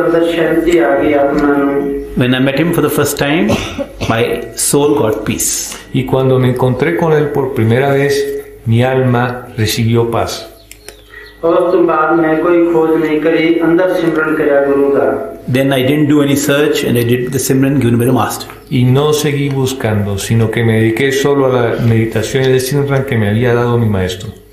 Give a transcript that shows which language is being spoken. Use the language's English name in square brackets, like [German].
[English] When I met him for the first time, my soul got peace. [Spanish] Y cuando me encontré con él por primera vez, mi alma recibió paz. [English] Then I didn't do any search and I did the simran given by the master. [Spanish] Y no seguí buscando, sino que me dediqué solo a la meditación y el simran que me había dado mi maestro.